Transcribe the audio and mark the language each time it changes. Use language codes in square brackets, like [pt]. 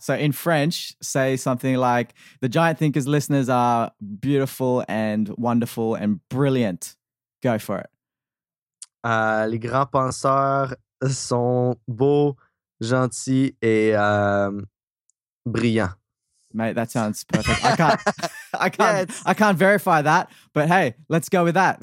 [en] So in French, say something like, the giant thinker's listeners are beautiful and wonderful and brilliant. Go for it. [fr] Les grands penseurs sont beaux, gentils et brillants. [en] Mate, that sounds perfect. I can't verify that, but hey, let's go with that.